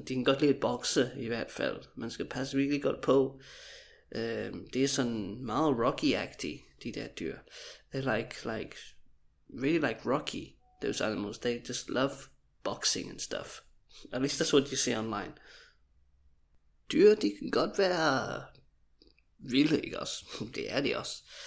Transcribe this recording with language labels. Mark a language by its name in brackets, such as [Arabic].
[Danish] Det er en godt lille bokse, i hvert fald. Man skal passe virkelig godt på. Det er sådan meget Rocky-agtigt, de der dyr. [English] They're like... Really like Rocky, those animals. They just love boxing and stuff. At least that's what you see online. [Danish] Dyr, de kan godt være vilde, ikke også? Det er de også.